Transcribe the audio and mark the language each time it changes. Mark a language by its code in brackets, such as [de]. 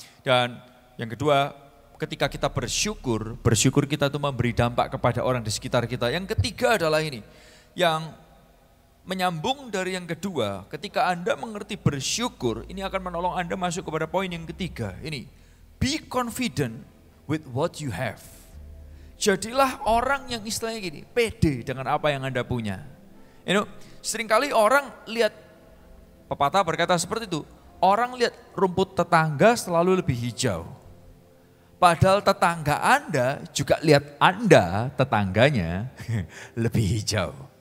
[id] Dan yang kedua, ketika kita bersyukur kita itu memberi dampak kepada orang di sekitar kita. Yang ketiga adalah ini, yang menyambung dari yang kedua, ketika Anda mengerti bersyukur, ini akan menolong Anda masuk kepada poin yang ketiga. [en] Ini, be confident with what you have. [id] Jadilah orang yang istilahnya gini, pede dengan apa yang Anda punya. [en] You know, [id] seringkali orang lihat, pepatah berkata seperti itu, orang lihat rumput tetangga selalu lebih hijau. Padahal tetangga Anda juga lihat Anda, tetangganya, lebih hijau.